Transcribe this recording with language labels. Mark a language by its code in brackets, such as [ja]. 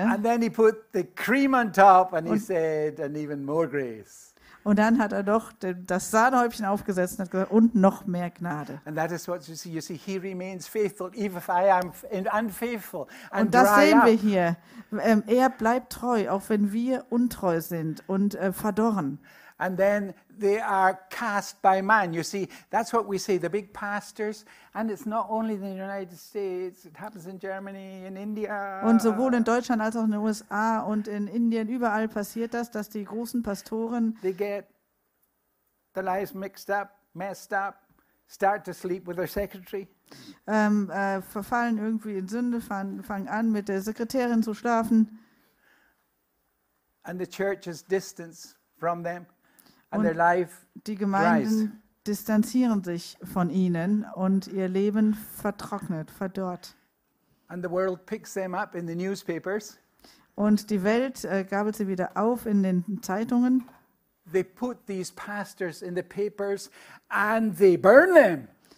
[en] And then he put the cream on top and he said, and even more grace. [de] Und dann hat er doch das Sahnehäubchen aufgesetzt und hat gesagt, und noch mehr Gnade. [en] And that is what you see, he remains faithful, even if I am unfaithful. [de] Und das sehen wir hier. Er bleibt treu, auch wenn wir untreu sind und verdorren. [en] And then they are cast by man. You see, that's what we say, the big pastors. And it's not only in the United States, it happens in Germany, in India. [de] Und sowohl in Deutschland als auch in den USA und in Indien, überall passiert das, dass die großen Pastoren [en] they get their lives mixed up, messed up, start to sleep with their secretary. [de] Verfallen irgendwie in Sünde, fangen an, mit der Sekretärin zu schlafen. [en] And the church is distant from them. And their life [de] die Gemeinden [en] dries. [de] Distanzieren sich von ihnen und ihr Leben vertrocknet, verdorrt. [en] And the world picks them up in the newspapers. [de] Und die Welt gabelt sie wieder auf in den Zeitungen. [en] They put these pastors in the papers and they burn them.